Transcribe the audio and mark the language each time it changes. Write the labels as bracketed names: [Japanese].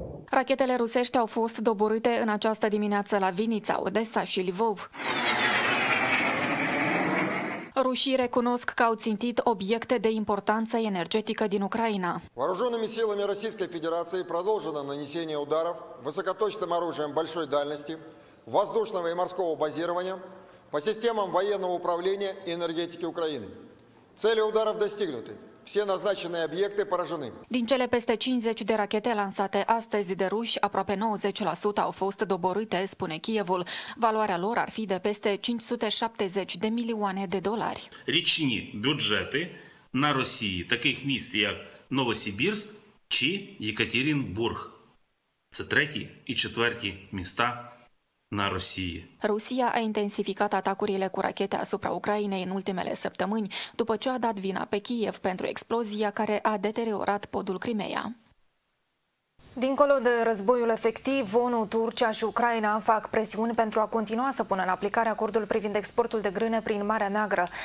[Romanian] Rachetele rusești au fost doborâte în această dimineață la Vinița, Odessa și Lviv. Rușii recunosc că au țintit obiecte de importanță energetică din Ucraina. [Russian] Вооруженными силами Российской Федерации продолжено нанесение ударов высокоточным оружием большой дальности, воздушного и морского базирования по системам военного управления и энергетики Украины. Цели ударов достигнуты. Все назначенные объекты поражены. [Romanian] Din cele peste 50 de rachete lansate astăzi de ruși, aproape 90% au fost doborâte, spune Kievul. Valoarea lor ar fi de peste 570 de milioane de dolari. [Ukrainian] Річні бюджети на Росії таких міст як Новосибірськ чи Єкатеринбург. Це треті і четверті міста. [Romanian] Rusia a intensificat atacurile cu rachete asupra Ucrainei în ultimele săptămâni, după ce a dat vina pe Kiev pentru explozia care a deteriorat podul Crimeea. Dincolo de războiul efectiv, ONU, Turcia și Ucraina fac presiuni pentru a continua să pună în aplicare acordul privind exportul de grâne prin Marea Neagră.